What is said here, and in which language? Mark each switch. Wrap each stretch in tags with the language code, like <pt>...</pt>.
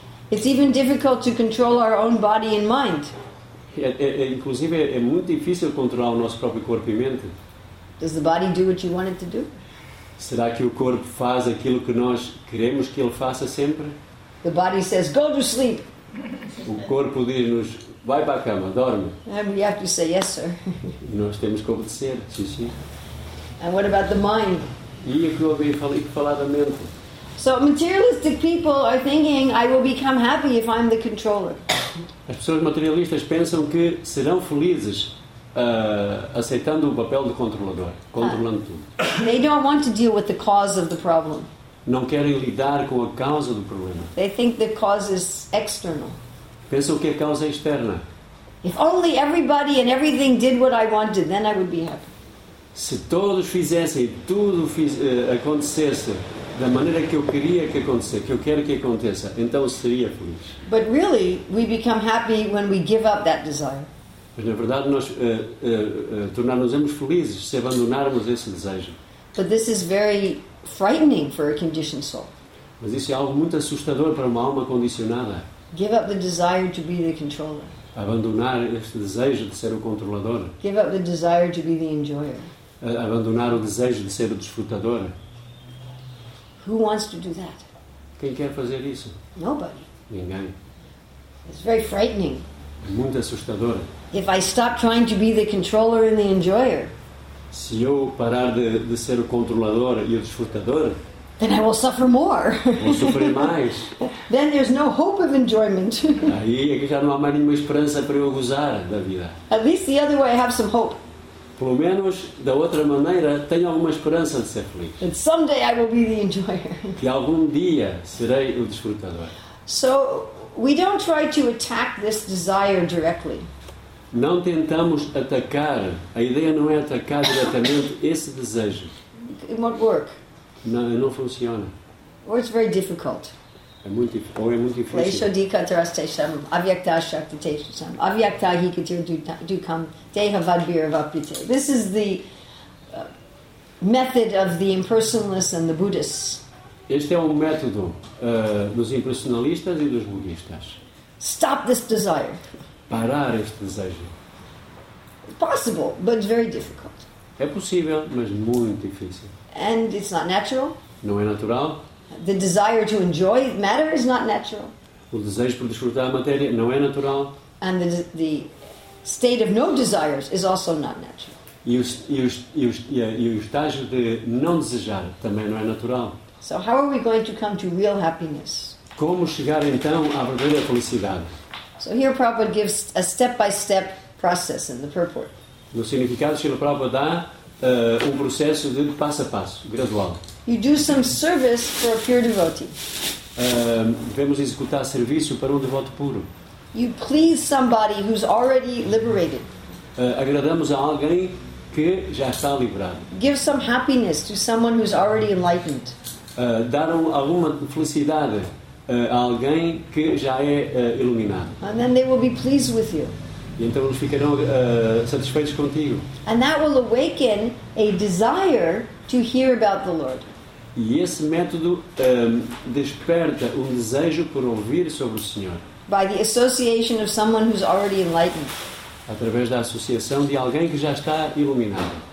<en>It's even difficult to control our own body and mind.</en> <pt>Inclusive é muito difícil controlar o nosso próprio corpo e mente.</pt> <en>Does the body do what you want it to do?</en> <pt>Será que o corpo faz aquilo que nós queremos que ele faça sempre?</pt> <en>The body says, go to sleep.</en> <pt>O corpo diz-nos, vai para a cama, dorme.</pt> <en>And we have to say, yes, sir.</en> <pt>E nós temos que obedecer, sim.</pt> <en>And what about the mind?</en> <pt>E o que eu ouvi falar da mente?</pt> <en>So materialistic people are thinking, I will become happy if I'm the controller.</en> <pt>As pessoas materialistas pensam que serão felizes aceitando o papel de controlador, controlando tudo.</pt> <en>They don't want to deal with the cause of the problem.</en> <pt>Não querem lidar com a causa do problema.</pt> <en>They think the cause is external.</en> <pt>Pensam que a causa é externa.</pt> <en>If only everybody and everything did what I wanted, then I would be happy.</en> <pt>Se todos fizessem tudo acontecesse da maneira que eu queria que acontecesse, que eu quero que aconteça, então seria feliz.</pt> <en>But really, we become happy when we give up that desire.</en> <pt>Mas na verdade nós tornar-nos-emos felizes se abandonarmos esse desejo.</pt> <en>But this is very frightening for a conditioned soul.</en> <pt>Mas isso é algo muito assustador para uma alma condicionada.</pt> <en>Give up the desire to be the controller.</en> <pt>Abandonar este desejo de ser o controlador.</pt> <en>Give up the desire to be the enjoyer.</en> <pt>Abandonar o desejo de ser o desfrutador.</pt> <en>Who wants to do that?</en> <pt>Quem quer fazer isso?</pt> <en>Nobody.</en> <pt>Ninguém.</pt> <en>It's very frightening.</en> <pt>É muito assustador.</pt> <en>If I stop trying to be the controller and the enjoyer,</en> <pt>se eu parar de ser o controlador e o desfrutador,</pt> <en>then I will suffer more.</en> <pt>Vou sofrer mais.</pt> <en>Then there's no hope of enjoyment.</en> <pt>Aí é que já não há mais nenhuma esperança para eu gozar da vida.</pt> <en>At least the other way I have some hope.</en> <pt>Pelo menos, da outra maneira, tenho alguma esperança de ser feliz.</pt> <en>And someday I will be the enjoyer.</en> <pt>Que algum dia serei o desfrutador.</pt> <en>So, we don't try to attack this desire directly.</en> <pt>Não tentamos atacar, a ideia não é atacar diretamente esse desejo.</pt> <en>It won't work.</en> <pt>Não funciona.</pt> <en>Or it's very difficult.</en> <pt>É muito difícil.</pt> <sa>Leisho dikatarastesham, avyakta shaktitesham, avyakta hikatir dukam, deha vadbir vapyate.</sa> <en>This is the method of the impersonalists and the Buddhists.</en> <pt>Este é um método dos impersonalistas e dos budistas.</pt> <en>Stop this desire.</en> <pt>Parar este desejo.</pt> <en>Possible, but very difficult.</en> <pt>É possível, mas muito difícil.</pt> <en>And it's not natural.</en> <pt>Não é natural.</pt> <en>The desire to enjoy matter is not natural.</en> <pt>O desejo por desfrutar a matéria não é natural.</pt> <en>And the state of no desires is also not natural.</en> <pt>E o estágio de não desejar também não é natural.</pt> <en>So how are we going to come to real happiness?</en> <pt>Como chegar então à verdadeira felicidade?</pt> <en>So here Prabhupada gives a step-by-step process in the purport.</en> <pt>No significado, Srila Prabhupada dá um processo de passo a passo, gradual.</pt> <en>You do some service for a pure devotee.</en> <pt>Devemos executar serviço para um devoto puro.</pt> <en>You please somebody who's already liberated.</en> <pt>Agradamos a alguém que já está liberado.</pt> <en>Give some happiness to someone who's already enlightened.</en> <pt>Dar alguma felicidade a alguém que já é iluminado.</pt> <en>And then they will be pleased with you.</en> <pt>E então eles ficarão satisfeitos contigo.</pt> <en>And that will awaken a desire to hear about the Lord.</en> <pt>E esse método desperta um desejo por ouvir sobre o Senhor.</pt> <en>By the association of someone who's already enlightened.</en> <pt>Através da associação de alguém que já está iluminado.</pt>